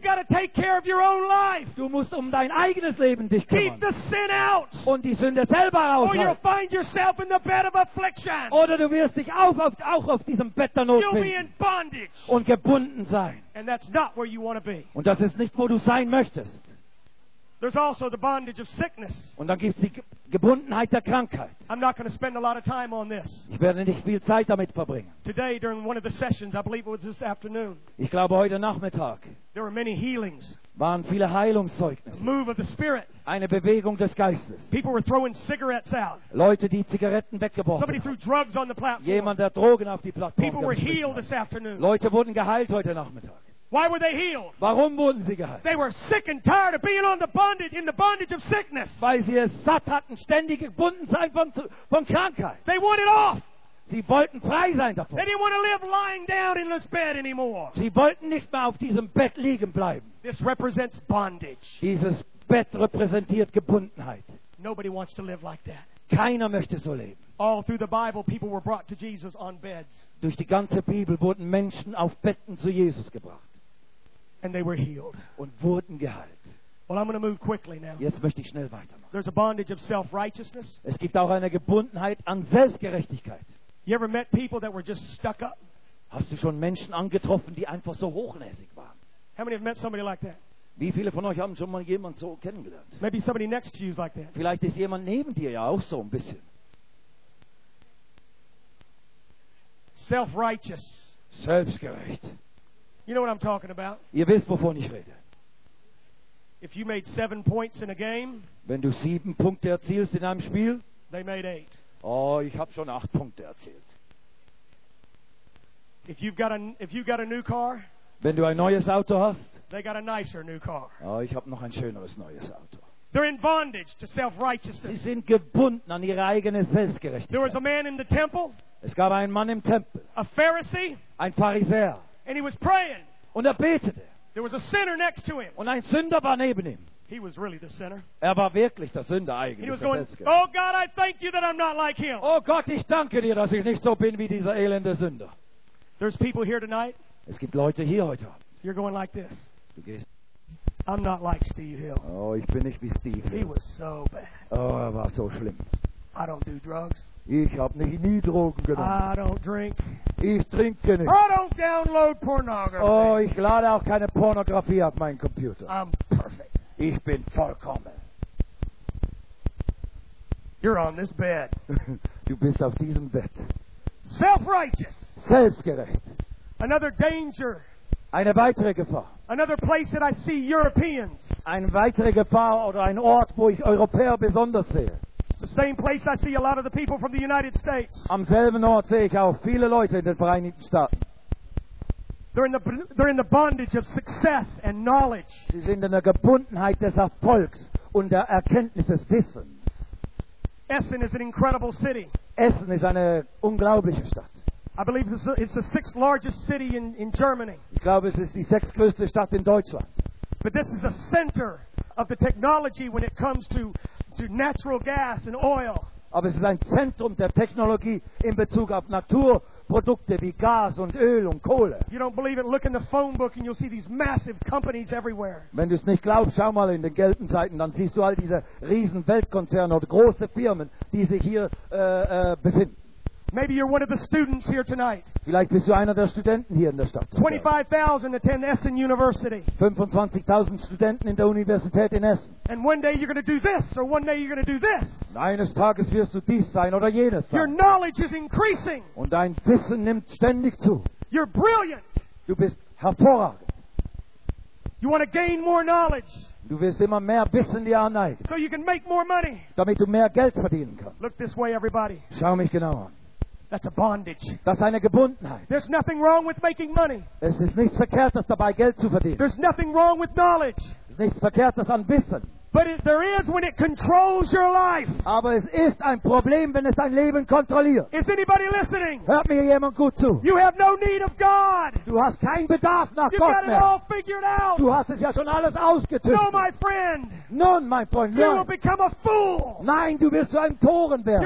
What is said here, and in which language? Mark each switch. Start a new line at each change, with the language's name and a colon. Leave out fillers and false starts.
English: You've got to take care of your own life.
German: Du musst dein eigenes Leben dich kümmern.
English: Keep the sin out.
German: Und die Sünde selber raushalten.
English: Or you'll find yourself in the bed of affliction.
German: Oder du wirst dich auch auf diesem Bett der Not
English: finden. You'll be in bondage.
German: Und gebunden sein.
English: And that's not where you want to be.
German: Und das ist nicht, wo du sein möchtest.
English: There's also the bondage of sickness.
German: Und dann gibt's die Gebundenheit der Krankheit.
English: I'm not going to spend a lot of time on this.
German: Ich werde nicht viel Zeit damit verbringen.
English: Today, during one of the sessions, I believe it was this afternoon.
German: Ich glaube heute Nachmittag.
English: There were many healings.
German: Waren viele Heilungszeugnisse.
English: A move of the Spirit.
German: Eine Bewegung des Geistes.
English: People were throwing cigarettes out.
German: Leute, die Zigaretten weggeworfen.
English: Somebody threw drugs on the platform.
German: Jemand, der Drogen auf die Plattform.
English: People were healed this afternoon.
German: Leute wurden geheilt heute Nachmittag.
English: Why were they healed?
German: Warum wurden sie geheilt?
English: They were sick and tired of being in the bondage of sickness.
German: Weil sie es satt hatten, ständig gebunden sein von Krankheit.
English: They wanted off.
German: Sie wollten frei sein davon.
English: They didn't want to live lying down in this bed anymore.
German: Sie wollten nicht mehr auf diesem Bett liegen bleiben.
English: This represents bondage.
German: Dieses Bett repräsentiert Gebundenheit.
English: Nobody wants to live like that.
German: Keiner möchte so leben.
English: All through the Bible, people were brought to Jesus on beds.
German: Durch die ganze Bibel wurden Menschen auf Betten zu Jesus gebracht.
English: And they were healed.
German: Und wurden geheilt.
English: Well, I'm going to move quickly now.
German: Jetzt möchte ich schnell weitermachen.
English: There's a bondage of self-righteousness.
German: Es gibt auch eine Gebundenheit an Selbstgerechtigkeit.
English: You ever met people that were just stuck up?
German: Hast du schon Menschen angetroffen, die einfach so hochnäsig waren?
English: How many have met somebody like that?
German: Wie viele von euch haben schon mal jemanden so kennengelernt?
English: Maybe somebody next to you is like that.
German: Vielleicht ist jemand neben dir ja auch so ein bisschen.
English: Self-righteous.
German: Selbstgerecht.
English: You know what I'm talking about?
German: Ihr wisst, wovon ich rede.
English: If you made 7 points in a game,
German: wenn du 7 Punkte erzielst in einem Spiel,
English: they made 8.
German: Oh, ich habe schon 8 Punkte erzielt.
English: If you got a new car,
German: wenn du ein neues Auto hast,
English: they got a nicer new car.
German: Oh, ich habe noch ein schöneres neues Auto.
English: They're in bondage to self-righteousness.
German: Sie sind gebunden an ihre eigene Selbstgerechtigkeit.
English: There was a man in the temple.
German: Es gab einen Mann im Tempel.
English: A Pharisee.
German: Ein Pharisäer.
English: And he was praying.
German: Und er betete.
English: There was a sinner next to him.
German: Und ein Sünder war neben ihm.
English: He was really the sinner.
German: Er war wirklich der Sünder eigentlich.
English: He was going, "Oh God, I thank you that I'm not like him."
German: Oh Gott, ich danke dir, dass ich nicht so bin wie dieser elende Sünder.
English: There's people here tonight.
German: Es gibt Leute hier heute Abend.
English: You're going like this.
German: Du gehst.
English: I'm not like Steve Hill.
German: Oh, ich bin nicht wie Steve Hill.
English: He was so bad.
German: Oh, er war so schlimm.
English: I don't do drugs.
German: Ich habe nie Drogen genommen.
English: I don't drink.
German: Ich trinke nicht.
English: I don't download pornography.
German: Oh, ich lade auch keine Pornografie auf meinen Computer.
English: I'm perfect.
German: Ich bin vollkommen.
English: You're on this bed.
German: Du bist auf diesem Bett.
English: Self-righteous.
German: Selbstgerecht.
English: Another danger.
German: Eine weitere Gefahr.
English: Another place that I see Europeans.
German: Eine weitere Gefahr oder ein Ort, wo ich Europäer besonders sehe.
English: It's the same place I see a lot of the people from the United States.
German: Am selben Ort sehe ich auch viele Leute in den Vereinigten Staaten.
English: They're in the bondage of success and knowledge.
German: Sie sind in der Gebundenheit des Erfolgs und der Erkenntnis des Wissens.
English: Essen is an incredible city.
German: Essen ist eine unglaubliche Stadt.
English: I believe it's the sixth largest city in Germany.
German: Ich glaube, es ist die sechstgrößte Stadt in Deutschland.
English: But this is a center of the technology when it comes to natural gas and oil.
German: Aber es ist ein Zentrum der Technologie in Bezug auf Naturprodukte wie Gas und Öl und Kohle.
English: You don't believe it? Look in the phone book and you'll see these massive companies everywhere.
German: Wenn du es nicht glaubst, schau mal in den gelben Seiten, dann siehst du all diese riesen Weltkonzerne oder große Firmen, die sich hier befinden.
English: Maybe you're one of the students here tonight.
German: Vielleicht bist du einer der Studenten hier in der Stadt.
English: 25,000 attend Essen University.
German: 25,000 Studenten in der Universität in Essen.
English: And one day you're going to do this, or one day you're going to do this.
German: Eines Tages wirst du dies sein oder jenes sein.
English: Your knowledge is increasing.
German: Und dein Wissen nimmt ständig zu.
English: You're brilliant.
German: Du bist hervorragend.
English: You want to gain more knowledge.
German: Du wirst immer mehr Wissen dir aneignen.
English: So you can make more money.
German: Damit du mehr Geld verdienen kannst.
English: Look this way, everybody.
German: Schau mich genau an.
English: That's a bondage.
German: Das ist eine Gebundenheit.
English: There's nothing wrong with making money.
German: Es ist nichts Verkehrtes dabei, Geld zu verdienen.
English: There's nothing wrong with knowledge.
German: Es ist nichts Verkehrtes an Wissen.
English: But there is when it controls your life.
German: Aber es ist ein Problem, wenn es dein Leben kontrolliert.
English: Is anybody listening?
German: Hört mir jemand gut zu?
English: You have no need of God.
German: Du hast keinen Bedarf nach
English: You've
German: Gott
English: got it
German: mehr.
English: All figured out.
German: Du hast es ja schon alles ausgetüftelt.
English: No, my friend.
German: Nun, mein Freund,
English: you will become a fool.
German: Nein, du wirst zu einem Toren werden.